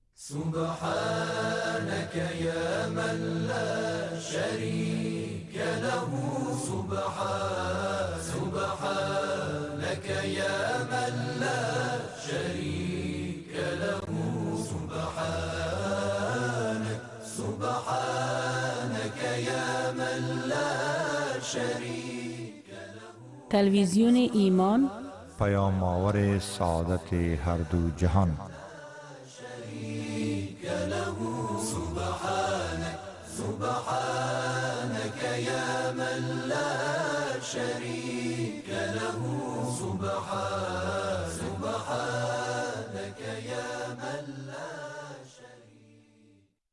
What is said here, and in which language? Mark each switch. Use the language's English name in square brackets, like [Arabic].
[Arabic] سبحانك يا من لا شريك له سبحانك يا من لا شريك له سبحانك يا من لا شريك له. [Persian] تلویزیون ایمان، پیام آور سعادت هر دو جهان. [Arabic] سبحانك يا من لا شريك له سبحانك يا من لا شريك.